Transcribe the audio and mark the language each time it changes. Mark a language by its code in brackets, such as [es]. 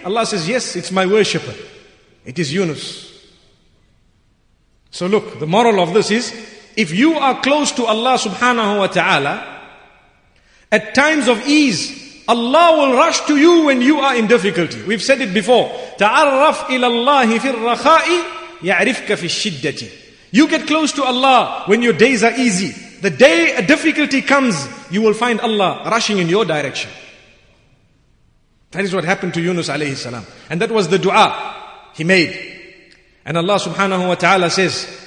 [en] Allah says, yes, it's my worshipper. It is Yunus. So look, the moral of this is, if you are close to Allah subhanahu wa ta'ala, at times of ease, Allah will rush to you when you are in difficulty. We've said it before. [ar] تعرف إلى الله في الرخاء يعرفك في الشدة. [en] You get close to Allah when your days are easy. The day a difficulty comes, you will find Allah rushing in your direction. That is what happened to Yunus alayhi salam. And that was the dua he made. And Allah subhanahu wa ta'ala says,